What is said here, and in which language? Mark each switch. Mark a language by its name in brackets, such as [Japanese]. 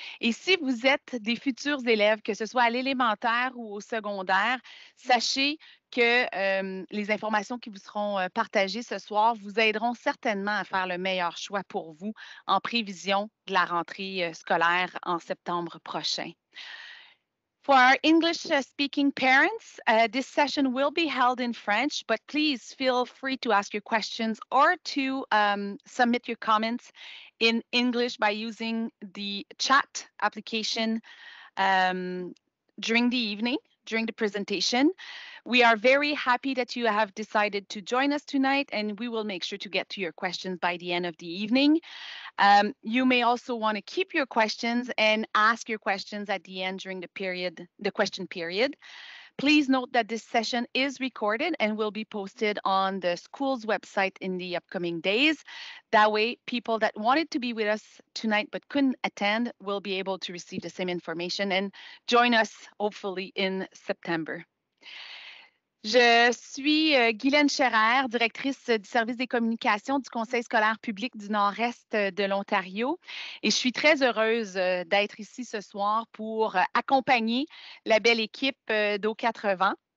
[French] Et si vous êtes des futurs élèves, que ce soit à l'élémentaire ou au secondaire, sachez que les informations qui vous seront partagées ce soir vous aideront certainement à faire le meilleur choix pour vous en prévision de la rentrée scolaire en septembre prochain. [English] For our English-speaking parents, this session will be held in French, but please feel free to ask your questions or to submit your comments in English by using the chat application during the evening, during the presentation. We are very happy that you have decided to join us tonight, and we will make sure to get to your questions by the end of the evening. You may also want to keep your questions and ask your questions at the end during the question period. Please note that this session is recorded and will be posted on the school's website in the upcoming days. That way, people that wanted to be with us tonight but couldn't attend will be able to receive the same information and join us hopefully in September. [French] Je suis Guylaine Scherrer, directrice du service des communications du Conseil scolaire public du Nord-Est de l'Ontario, et je suis très heureuse d'être ici ce soir pour accompagner la belle équipe d'Aux quatre vents.